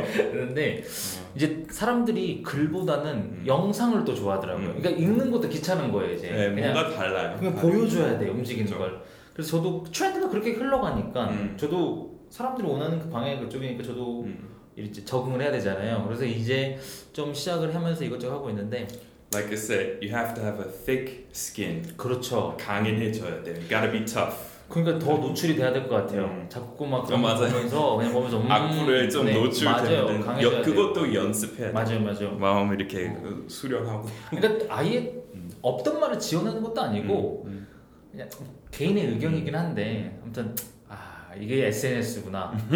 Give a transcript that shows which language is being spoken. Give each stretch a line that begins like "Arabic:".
Korean: 그런데 이제 사람들이 글보다는 영상을 더 좋아하더라고요. 그러니까 읽는 것도 귀찮은 거예요 이제. 네, 그냥 뭔가 달라요. 그냥 보여줘야 돼 움직이는 걸. 그래서 저도 트렌드가 그렇게 흘러가니까 저도 사람들이 원하는 그 방향이 그쪽이니까 저도 이제 적응을 해야 되잖아요. 그래서 이제 좀 시작을 하면서 이것저것 하고 있는데
English: Like I said, you have to have a thick skin.
Korean: 그렇죠. 강인해져야 돼.
English: Gotta be tough.
Korean: 그러니까 더 노출이 돼야 될 것 같아요. 자꾸 막 보면서 그냥 보면서 악플을 좀 노출되는 맞아요. 그것도 연습해야 돼요. 맞아요. 마음을 이렇게 수련하고 그러니까 아예 없던 말을 지어내는 것도 아니고 그냥 개인의 의견이긴 한데 아무튼 이게 SNS구나.